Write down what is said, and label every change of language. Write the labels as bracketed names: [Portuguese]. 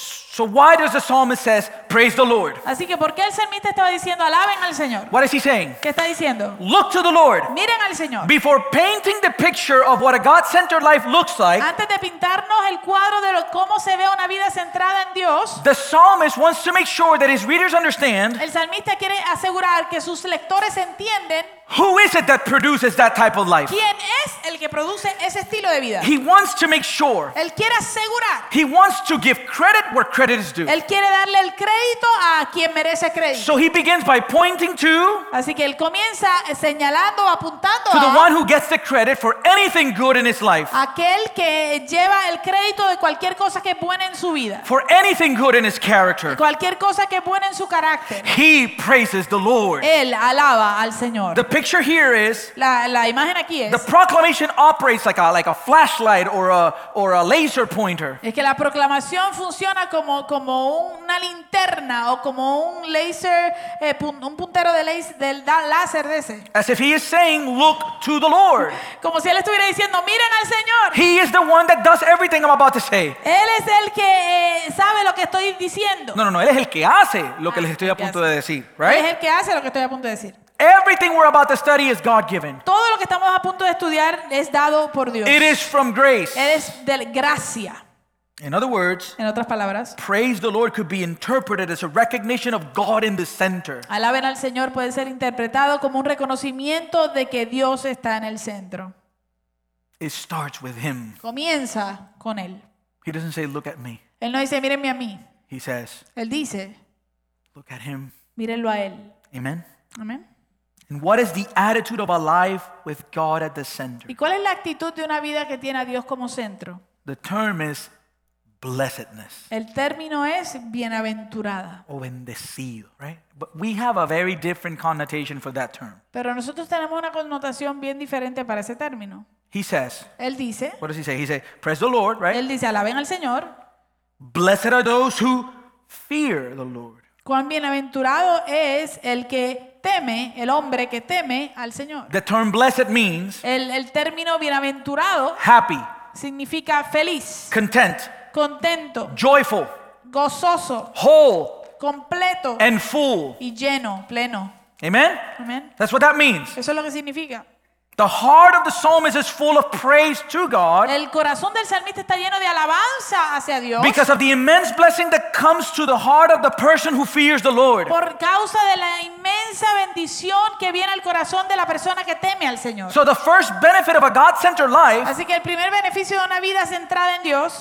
[English] So why does the psalmist says praise the Lord? [Spanish] Así que ¿por qué el salmista estaba diciendo alaben al Señor? [English] What is he saying? [Spanish] ¿Qué está diciendo? [English] Look to the Lord. [Spanish] Miren al Señor. [English] Before painting the picture of what a God-centered life looks like, [Spanish] antes de pintarnos el cuadro de cómo se ve una vida centrada en Dios, [English] the psalmist wants to make sure that his readers understand. [Spanish] El salmista quiere asegurar que sus lectores entienden. [English] Who is it that produces that type of life? [Spanish] ¿Quién es el que produce ese estilo de vida? [English] He wants to make sure. [Spanish] Él quiere asegurar. [English] He wants to give credit where credit is due. [Spanish] Él quiere darle el crédito a quien merece crédito. [English] So he begins by pointing to. [Spanish] Así que él comienza señalando, apuntando [English] to the one who gets the credit for anything good in his life. [Spanish] Aquel que lleva el crédito de cualquier cosa que es buena en su vida. [English] For anything good in his character. [Spanish] Cualquier cosa que es buena en su carácter. [English] He praises the Lord. [Spanish] Él alaba al Señor. [English] The picture here is [Spanish] la imagen aquí es, [English] the proclamation operates like a flashlight or a laser pointer. [Spanish] Es que la proclamación funciona como una linterna o como un laser un puntero de laser del láser de ese. [English] As if he is saying, look to the Lord. [Spanish] Como si él estuviera diciendo, miren al Señor. [English] He is the one that does everything I'm about to say. [Spanish] Él es el que sabe lo que estoy diciendo. [English] No, él es el que hace lo que les estoy a punto de decir, right? [Spanish] Él es el que hace lo que estoy a punto de decir. [English] Everything we're about to study is God-given. [Spanish] Todo lo que estamos a punto de estudiar es dado por Dios. [English] It is from grace. [Spanish] Es de gracia. [English] In other words, [Spanish] en otras palabras, [English] praise the Lord could be interpreted as a recognition of God in the center. [Spanish] Alaben al Señor puede ser interpretado como un reconocimiento de que Dios está en el centro. [English] It starts with Him. [Spanish] Comienza con Él. [English] He doesn't say, look at me. [Spanish] Él no dice, mírenme a mí. [English] He says, [Spanish] Él dice, [English] look at Him. [Spanish] Mírenlo a Él. [English] Amen. [Spanish] Amen. [English] And what is the attitude of a life with God at the center? [Spanish] ¿Y cuál es la actitud de una vida que tiene a Dios como centro? [English] The term is blessedness. [Spanish] El término es bienaventurada. O bendecido, [English] right? But we have a very different connotation for that term. [Spanish] Pero nosotros tenemos una connotación bien diferente para ese término. [English] He says. [Spanish] Él dice. [English] What does he say? He says, praise the Lord, right? [Spanish] Él dice, alaben al Señor. [English] Blessed are those who fear the Lord. [Spanish] Cuán bienaventurado es el que teme, el hombre que teme al Señor. [English] The term blessed means [Spanish] el término bienaventurado, [English] happy, [Spanish] significa feliz, [English] content, [Spanish] contento, [English] joyful, [Spanish] gozoso, [English] whole, [Spanish] completo, [English] and full, [Spanish] y lleno, pleno. [English] Amen? [Spanish] Amen. [English] That's what that means. [Spanish] Eso es lo que significa. [English] The heart of the psalmist is full of praise to God. [Spanish] El corazón del salmista está lleno de alabanza hacia Dios. [English] Because of the immense blessing that comes to the heart of the person who fears the Lord. [Spanish] Por causa de la inmensa bendición que viene al corazón de la persona que teme al Señor. [English] So the first benefit of a God-centered life. [Spanish] Así que el primer beneficio de una vida centrada en Dios.